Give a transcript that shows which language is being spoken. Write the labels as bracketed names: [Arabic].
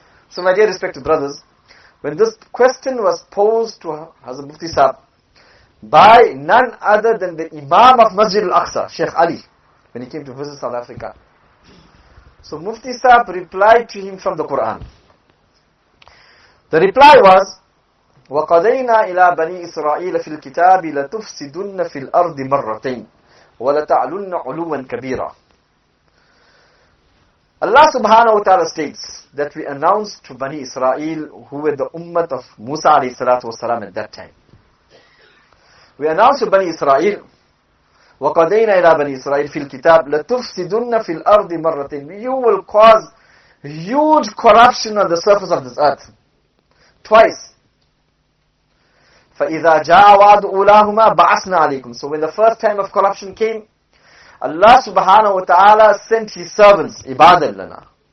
[English] So my dear respected brothers, when this question was posed to Hazrat Mufti Sahab by none other than the Imam of Masjid al-Aqsa, Sheikh Ali, when he came to visit South Africa. So Mufti Sahab replied to him from the Quran. The reply was, [Arabic] وَقَضَيْنَا إِلَىٰ بَنِي إِسْرَائِيلَ فِي الْكِتَابِ لَتُفْسِدُنَّ فِي الْأَرْضِ مَرَّتَيْنَ وَلَتَعْلُنَّ عُلُوًا كَبِيرًا. [English] Allah subhanahu wa ta'ala states that we announced to Bani Israel, who were the ummah of Musa alayhi salatu wa salam at that time. We announced to Bani Israel, [Arabic] وَقَضَيْنَا إِلَىٰ بَنِي إِسْرَائِيلَ فِي الْكِتَابِ لَتُفْسِدُنَّ فِي الْأَرْضِ مَرَّتَيْنَ. [English] You will cause huge corruption on the surface of this earth. Twice. [Arabic] فَإِذَا جَاءَ وَعَدُ أُولَاهُمَا بَعَثْنَا عَلَيْكُمْ. [English] So when the first time of corruption came, Allah subhanahu wa ta'ala sent His servants, ibadah lana.